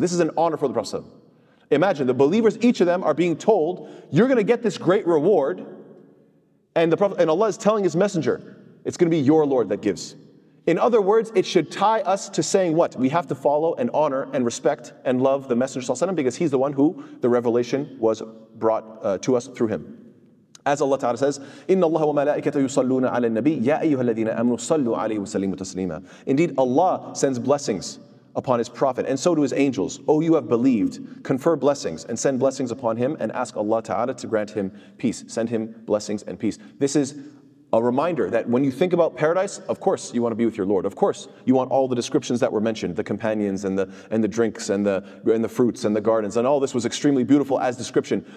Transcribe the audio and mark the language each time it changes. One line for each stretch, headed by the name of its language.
English: This is an honor for the Prophet. Imagine the believers, each of them are being told, you're gonna get this great reward, and the Prophet and Allah is telling His Messenger, it's gonna be your Lord that gives. In other words, it should tie us to saying what? We have to follow and honor and respect and love the Messenger because he's the one who the revelation was brought to us through him. As Allah Ta'ala says,
Arabic: إِنَّ اللَّهَ وَمَلَائِكَةَ يُصَلُّونَ عَلَى النَّبِيِّ يَا أَيُّهَا الَّذِينَ أَمْنُوا صَلُّوا عَلَيْهِ وَسَلِّمُوا تَسْلِيمًا.
English: Indeed, Allah sends blessings upon His Prophet, and so do His angels. Oh, you have believed, confer blessings and send blessings upon him and ask Allah Ta'ala to grant him peace. Send him blessings and peace. This is a reminder that when you think about paradise, of course you want to be with your Lord. Of course you want all the descriptions that were mentioned, the companions and the drinks and the fruits and the gardens, and all this was extremely beautiful as description.